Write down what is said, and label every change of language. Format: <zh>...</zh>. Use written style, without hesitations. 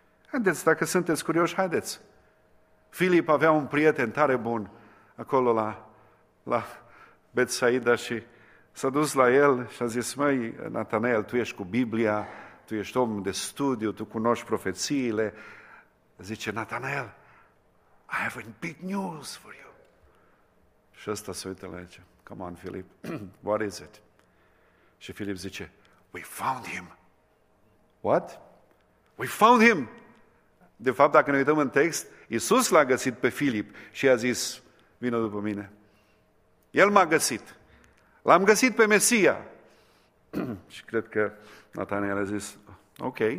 <ro>Haideți, dacă sunteți curioși, haideți. Filip avea un prieten tare bun acolo la Betsaida și s-a dus la el și a zis: măi, Nathanael, tu ești cu Biblia, tu ești om de studiu, tu cunoști profețiile.</ro> <en>Zice: Nathanael, I have a big news for you.</en> <ro>Și ăsta se uită la el, zice:</ro> <en>come on, Filip, what is it?</en> <ro>Și Filip zice:</ro> <en>we found him. What? We found him.</en> <ro>De fapt, dacă ne uităm în text, Iisus l-a găsit pe Filip și i-a zis: vină după mine. El m-a găsit. L-am găsit pe Mesia. Și cred că Nathanael a zis: ok.</ro>